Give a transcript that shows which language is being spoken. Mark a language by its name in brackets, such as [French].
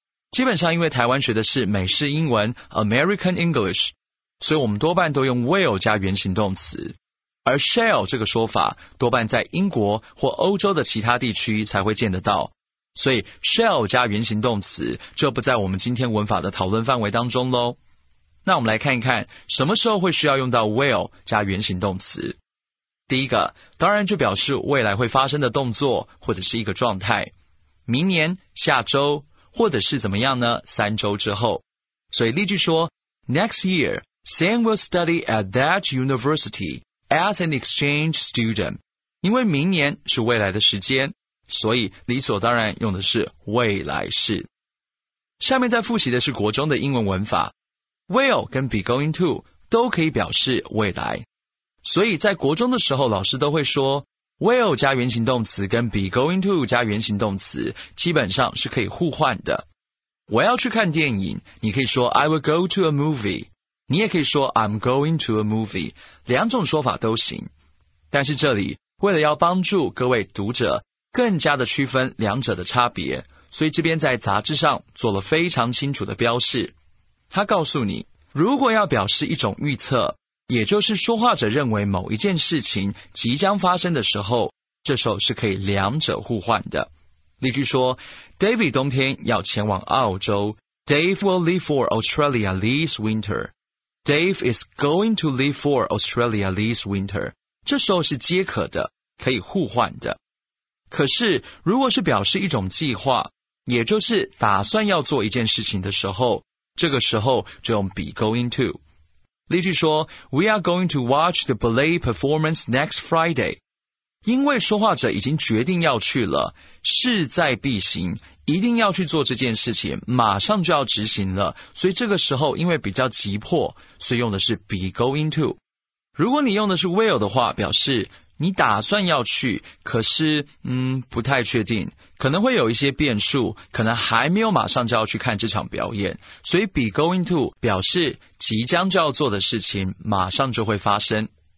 [Chinese] 基本上因为台湾学的是美式英文 American English， 所以我们多半都用 will 加原形动词，而 shall 这个说法多半在英国或欧洲的其他地区才会见得到，所以 shall 加原形动词就不在我们今天文法的讨论范围当中咯。那我们来看一看什么时候会需要用到 will 加原形动词。第一个当然就表示未来会发生的动作或者是一个状态，明年、下周或者是怎么样呢？三周之后。所以例句说 [English] Next year, Sam will study at that university as an exchange student. [Chinese] 因为明年是未来的时间，所以理所当然用的是未来式。下面在复习的是国中的英文文法。Will 跟 be going to 都可以表示未来，所以在国中的时候老师都会说 Will 加原形动词跟 be going to 加原形动词基本上是可以互换的。我要去看电影，你可以说 [English] I will go to a movie， [Chinese] 你也可以说 [English] I'm going to a movie， [Chinese] 两种说法都行。但是这里为了要帮助各位读者更加的区分两者的差别，所以这边在杂志上做了非常清楚的标示。他告诉你，如果要表示一种预测，也就是说话者认为某一件事情即将发生的时候，这时候是可以两者互换的。例句说 [English] ,David [Chinese] 冬天要前往澳洲 [English] ,Dave will leave for Australia this winter. Dave is going to leave for Australia this winter. [Chinese] 这时候是皆可的，可以互换的。可是如果是表示一种计划，也就是打算要做一件事情的时候，这个时候就用 be going to。例句说 [English] We are going to watch the ballet performance next Friday。 [Chinese] 因为说话者已经决定要去了，势在必行，一定要去做这件事情，马上就要执行了，所以这个时候因为比较急迫，所以用的是 be going to。如果你用的是 will 的话，表示你打算要去，可是不太确定，可能会有一些变数，可能还没有马上就要去看这场表演，所以 be going to 表示即将就要做的事情马上就会发生。